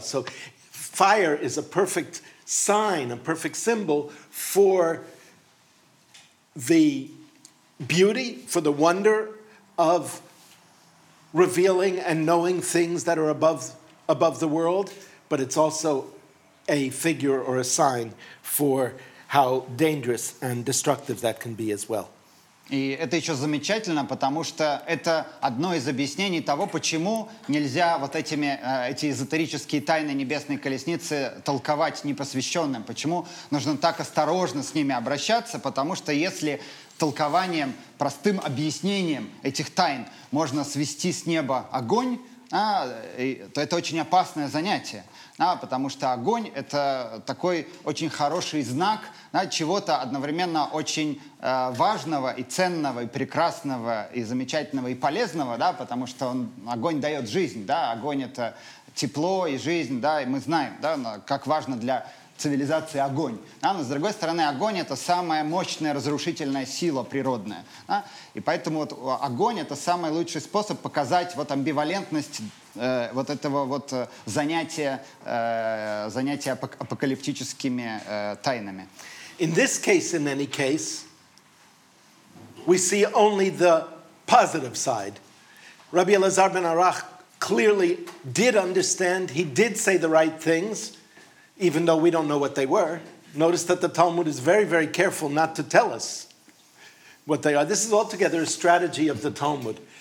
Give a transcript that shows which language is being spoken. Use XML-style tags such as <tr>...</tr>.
<en>So fire is a perfect sign, a perfect symbol for the beauty, for the wonder of revealing and knowing things that are above the world, but it's also a figure or a sign for how dangerous and destructive that can be as well.</en> <ru>И это еще замечательно, потому что это одно из объяснений того, почему нельзя вот эти эзотерические тайны небесной колесницы толковать непосвященным, почему нужно так осторожно с ними обращаться, потому что если толкованием, простым объяснением этих тайн можно свести с неба огонь, то это очень опасное занятие, потому что огонь — это такой очень хороший знак, чего-то одновременно очень важного и ценного, и прекрасного, и замечательного, и полезного, потому что огонь дает жизнь, огонь — это тепло и жизнь, и мы знаем, как важно для цивилизации огонь. Но с другой стороны, огонь — это самая мощная разрушительная сила природная. И поэтому вот огонь — это самый лучший способ показать вот амбивалентность вот этого вот занятия апокалиптическими тайнами.</ru> <en>In this case, in any case, we see only the positive side. Rabbi Elazar ben Arach clearly did understand, he did say the right things, even though we don't know what they were. Notice that the Talmud is very, very careful not to tell us what they are. This is altogether a strategy of the Talmud.</en>